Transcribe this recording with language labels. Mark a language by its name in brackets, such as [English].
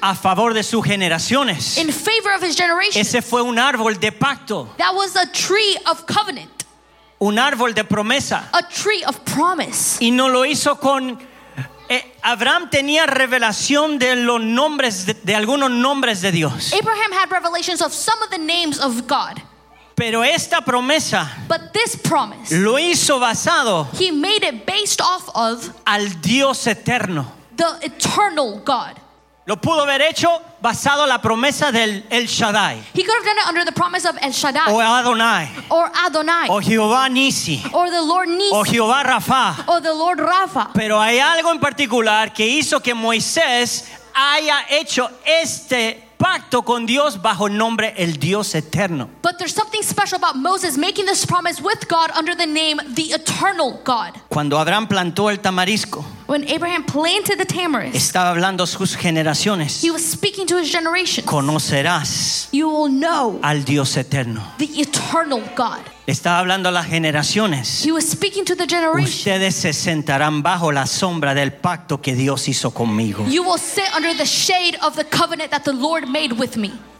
[Spanish] A favor de sus generaciones. [English] In favor of his generations. [Spanish] Ese fue un árbol de pacto. [English] That was a tree of covenant. [Spanish] Un árbol de promesa. [English] A tree of promise. [Spanish] Y no lo hizo con Abraham tenía revelación de los nombres de algunos nombres de Dios. [English] Abraham had revelations of some of the names of God. [Spanish] Pero esta promesa, [English] but this promise, [Spanish] lo hizo basado, [English] he made it based off of, [Spanish] al Dios eterno, [English] the eternal God. [Spanish] Lo pudo haber hecho basado en la promesa del El Shaddai. [English] He could have done it under the promise of El Shaddai. [Spanish] O Adonai. [English] Or Adonai. [Spanish] O Jehová Nisi. [English] Or the Lord Nisi. [Spanish] O Jehová Rafa. [English] Or the Lord Rafa. [Spanish] Pero hay algo en particular que hizo que Moisés haya hecho este pacto con Dios bajo nombre el Dios eterno. [English] But there's something special about Moses making this promise with God under the name the eternal God. [Spanish] Cuando Abraham plantó el tamarisco, [English] when Abraham planted the tamarisk, [Spanish] estaba hablando a sus generaciones, [English] he was speaking to his generation. [Spanish] Conocerás, [English] you will know, [Spanish] al Dios eterno, [English] the eternal God. [Spanish] Estaba hablando a las generaciones, [English] he was speaking to the generation. [Spanish] Ustedes se sentarán bajo la sombra del pacto que Dios hizo conmigo. [English] You will sit under the shade of the covenant that the Lord made with me.